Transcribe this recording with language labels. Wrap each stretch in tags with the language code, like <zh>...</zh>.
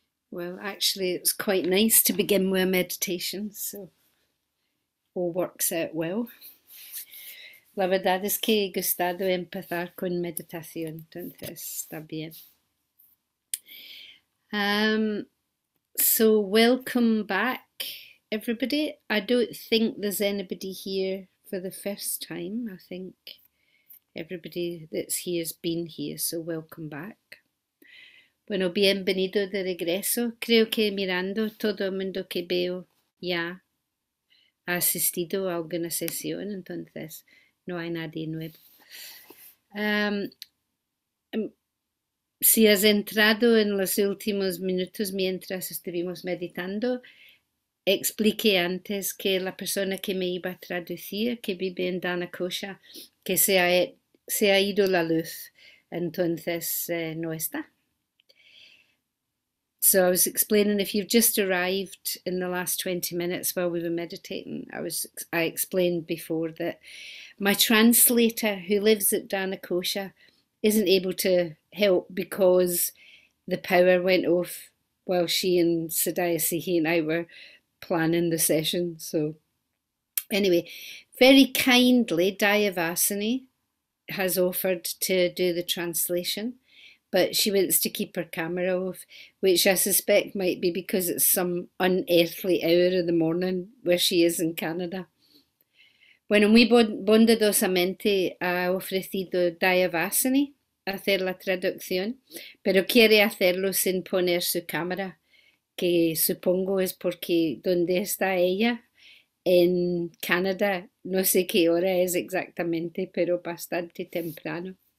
<en>Well, actually, it's quite nice to begin with a meditation, so all works out well.</en> <es>La verdad es que he gustado empezar con meditación, entonces bien.</es> <en>So welcome back, everybody. I don't think there's anybody here for the first time. I think everybody that's here has been here, so welcome back.</en> <es>Bueno, bienvenido de regreso. Creo que mirando todo el mundo que veo ya ha asistido a alguna sesión, entonces no hay nadie nuevo. Si has entrado en los últimos minutos mientras estuvimos meditando, expliqué antes que la persona que me iba a traducir, que vive en Danakosha, que se ha ido la luz, entonces no está.</es> <en>So I was explaining, if you've just arrived in the last 20 minutes while we were meditating, I explained before that my translator, who lives at Danakosha, isn't able to help because the power went off while she and Sadayasi, he and I were planning the session. So anyway, very kindly, Dayavasini has offered to do the translation. But she wants to keep her camera off, which I suspect might be because it's some unearthly hour of the morning where she is in Canada.</en> <es>Bueno, muy bondadosamente ha ofrecido Dayavasini hacer la traducción, pero quiere hacerlo sin poner su cámara, que supongo es porque donde está ella en Canadá, no sé qué hora es exactamente, pero bastante temprano.</es>